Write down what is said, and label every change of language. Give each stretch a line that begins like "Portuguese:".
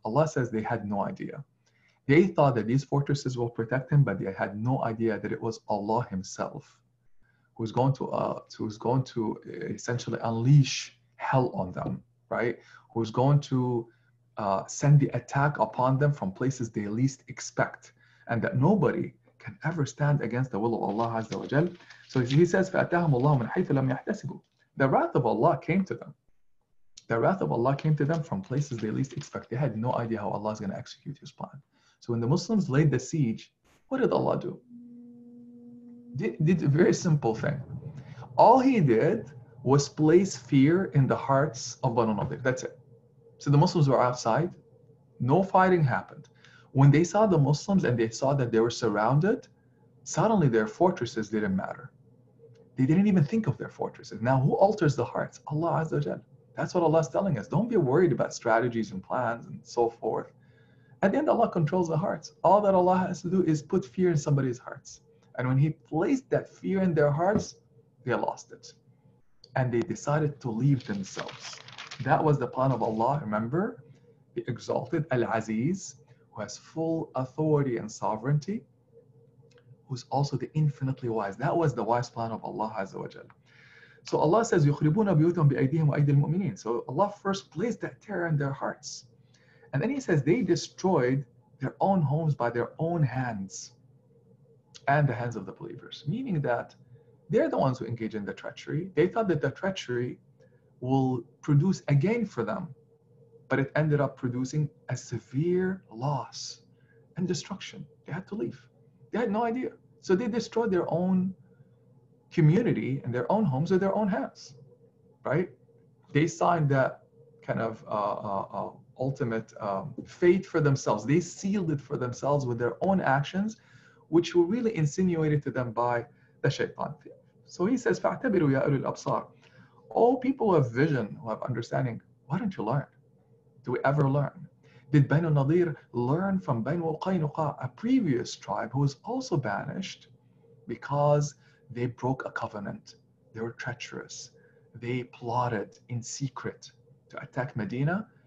English: Allah says they had no idea. They thought that these fortresses will protect them, but they had no idea that it was Allah himself who's going to essentially unleash hell on them, right? Who's going to send the attack upon them from places they least expect, and that nobody can ever stand against the will of Allah Azza wa Jal. So he says,
Arabic: فَأَتَّاهُمُ اللَّهُ مِنْ حَيْثُ لَمْ يَحْتَسِبُوا.
English: The wrath of Allah came to them. The wrath of Allah came to them from places they least expect. They had no idea how Allah is going to execute his plan. So when the Muslims laid the siege, what did Allah do? Did a very simple thing. All he did was place fear in the hearts of Banu Nadir. That's it. So the Muslims were outside. No fighting happened. When they saw the Muslims and they saw that they were surrounded, suddenly their fortresses didn't matter. They didn't even think of their fortresses. Now, who alters the hearts? Allah Azza wa Jal. That's what Allah is telling us. Don't be worried about strategies and plans and so forth. At the end, Allah controls the hearts. All that Allah has to do is put fear in somebody's hearts. And when he placed that fear in their hearts, they lost it. And they decided to leave themselves. That was the plan of Allah, remember? The exalted Al-Aziz, who has full authority and sovereignty, who's also the infinitely wise. That was the wise plan of Allah Azza wa Jal. So Allah says,
Arabic: يُخْرِبُونَ بِيُوتَهُمْ بِأَيْدِيهِمْ وَأَيْدِي الْمُؤْمِنِينَ.
English: So Allah first placed that terror in their hearts. And then he says, they destroyed their own homes by their own hands and the hands of the believers. Meaning that they're the ones who engage in the treachery. They thought that the treachery will produce a gain for them, but it ended up producing a severe loss and destruction. They had to leave. They had no idea. So they destroyed their own community and their own homes with their own hands, right? They signed that kind of ultimate fate for themselves. They sealed it for themselves with their own actions, which were really insinuated to them by the shaytan. So he says,
Arabic: فَاعْتَبِرُوا يَا أُولِي الْأَبْصَارِ.
English: All people who have vision, who have understanding, why don't you learn? Do we ever learn? Did Banu Nadir learn from Banu Qaynuqa, a previous tribe who was also banished because they broke a covenant? They were treacherous. They plotted in secret to attack Medina.